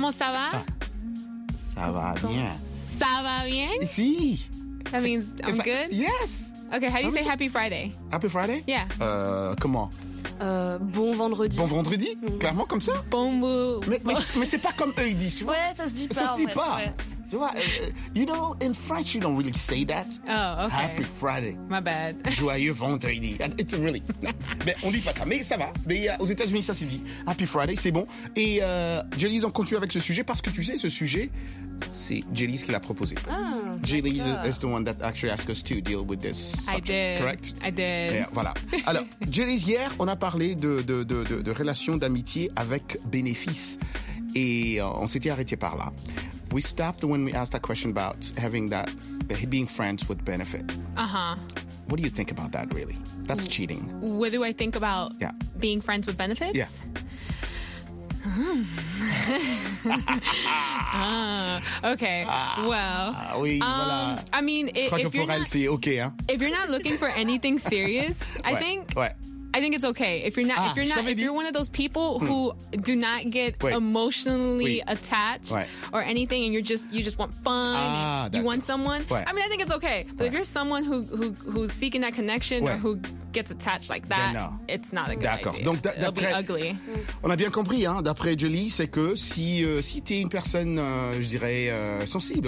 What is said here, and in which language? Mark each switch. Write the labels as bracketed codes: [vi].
[fr] Ça va bien? Si. [en] That means I'm good? Yes. Okay, how do you say happy Friday? Happy Friday? Yeah. [fr] Comment? Bon vendredi. Bon vendredi? Mm-hmm. Clairement comme ça? Mais c'est pas comme eux ils disent, tu vois? Ouais, ça se dit pas. Ça se dit pas. Tu vois, [en] you know, in French, you don't really say that. Oh, okay. Happy Friday. My bad. [fr] Joyeux vendredi. [en] It's really. [fr] Mais on dit pas ça, mais ça va. Mais aux États-Unis, ça s'est dit. [en] Happy Friday, [fr] c'est bon. Et Jelly's, on continue avec ce sujet parce que tu sais, ce sujet, c'est Jelly's qui l'a proposé. Oh, [en] Jelly's is the one that actually asked us to deal with this subject. I did. [fr] Voilà. Alors, Jelly's, hier, on a parlé de relations d'amitié avec bénéfices. Et on s'était arrêté par là. [en] We stopped when we asked that question about having that, being friends with benefit. Uh-huh. What do you think about that, really? That's cheating. What do I think about being friends with benefits? Yeah. Okay. I mean, if you're not looking for anything serious, I think it's okay. If you're one of those people who do not get emotionally attached or anything, and you just want fun, you want someone. Right. I mean, I think it's okay. But if you're someone who's seeking that connection or who gets attached like that, it's not a good idea. [fr] Donc, [en] it'll be ugly. [fr] On a bien compris, hein, d'après Jelly, c'est que si t'es une personne, sensible,